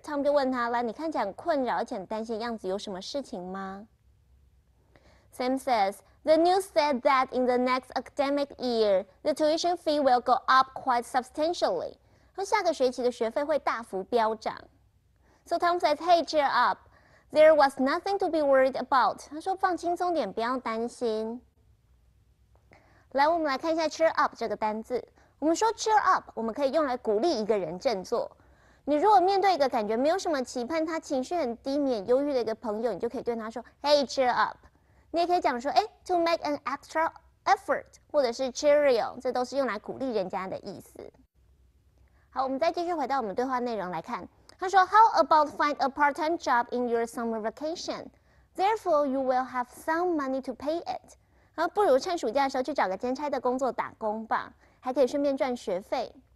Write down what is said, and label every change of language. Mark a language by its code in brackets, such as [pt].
[zh] Tom 就问他，来，你看起来很困扰而且很担心的样子，有什么事情吗？ [en] Sam says, the news said that in the next academic year, the tuition fee will go up quite substantially. [zh] 说下个学期的学费会大幅飙涨。 [en] So Tom says, hey, cheer up. There was nothing to be worried about. [zh] 他说放轻松点，不要担心。来，我们来看一下 cheer up 这个单字。我们说 cheer up， 我们可以用来鼓励一个人振作。你如果面对一个感觉没有什么期盼，他情绪很低迷、忧郁的一个朋友，你就可以对他说 [en] Hey, cheer up。 [zh] 你也可以讲说，哎 ， [en] to make an extra effort， [zh] 或者是 cheerio， 这都是用来鼓励人家的意思。好，我们再继续回到我们对话内容来看。他说 [en] How about find a part-time job in your summer vacation? Therefore, you will have some money to pay it. [zh] 他说不如趁暑假的时候去找个兼差的工作打工吧，还可以顺便赚学费。